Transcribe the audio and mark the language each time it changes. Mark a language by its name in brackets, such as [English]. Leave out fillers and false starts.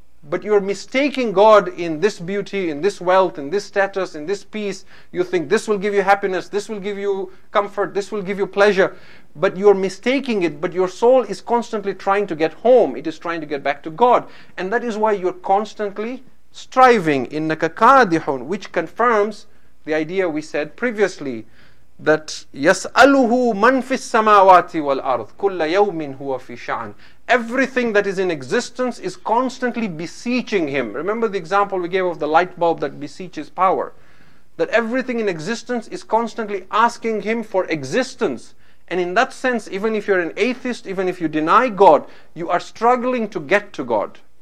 [English] But you're mistaking God in this beauty, in this wealth, in this status, in this peace. You think this will give you happiness, this will give you comfort, this will give you pleasure. But you're mistaking it. But your soul is constantly trying to get home. It is trying to get back to God. And that is why you're constantly striving. [Arabic] إِنَّكَ كَادِحٌ, [English] which confirms the idea we said previously, that [Arabic] يَسْأَلُهُ مَنْ فِي السَّمَاوَاتِ وَالْأَرْضِ كُلَّ يَوْمٍ هُوَ فِي شَعْنٍ. [English] Everything that is in existence is constantly beseeching him. Remember the example we gave of the light bulb that beseeches power. That everything in existence is constantly asking him for existence. And in that sense, even if you're an atheist, even if you deny God, you are struggling to get to God.